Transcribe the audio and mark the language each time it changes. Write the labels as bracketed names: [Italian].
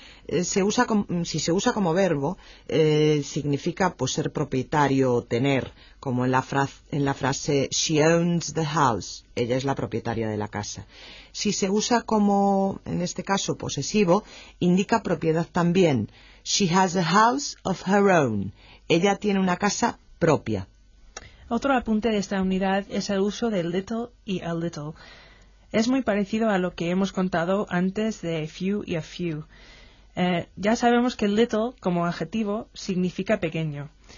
[Spanish] Si se usa como verbo, significa pues, ser propietario o tener, como en la frase [English] she owns the house, [Spanish] ella es la propietaria de la casa. Si se usa como, en este caso, posesivo, indica propiedad también. [English] She has a house of her own. [Spanish] Ella tiene una casa propia. Otro apunte de esta unidad es el uso de little y a little. es muy parecido a lo que hemos contado antes de few y a few. Ya sabemos que little como adjetivo significa pequeño.